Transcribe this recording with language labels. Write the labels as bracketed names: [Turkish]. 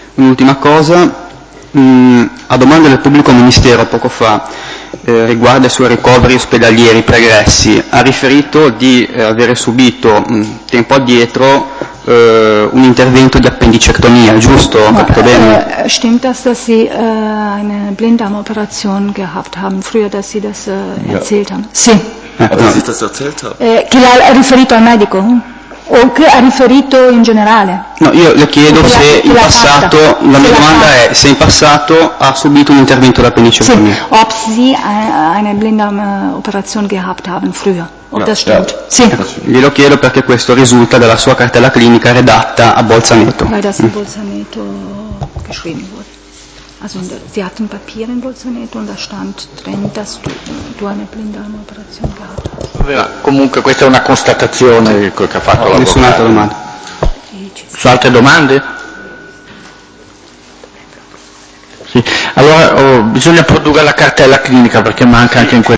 [Italian] Un'ultima cosa, a domanda del pubblico ministero poco fa, riguardo ai suoi ricoveri ospedalieri pregressi, ha riferito di avere subito tempo addietro un intervento di appendicectomia, giusto? Capito bene? [German] Stimmt das, dass Sie eine Blinddarmoperation gehabt haben, früher, dass Sie das erzählt haben? [Italian] Sì. Che l'ha riferito al medico? O che ha riferito in generale? No, io le chiedo se in passato, la mia domanda è se in passato ha subito un intervento d'appendicectomia. [German] Sì, ob Sie eine Blinddarmoperation gehabt haben früher. Ob das stimmt? Sì. [Italian] Glielo chiedo perché questo risulta dalla sua cartella clinica redatta a Bolzaneto. [German] Weil das in Bolzaneto geschrieben wurde. Also Sie hatten Papier in Bolzaneto und da stand drin, dass du eine Blinddarmoperation gehabt hast. [Italian] Vabbè, comunque questa è una constatazione che ha fatto l'avvocato. Nessun'altra domanda. Su altre domande? Sì. Allora, bisogna produrre la cartella clinica perché manca anche in questo.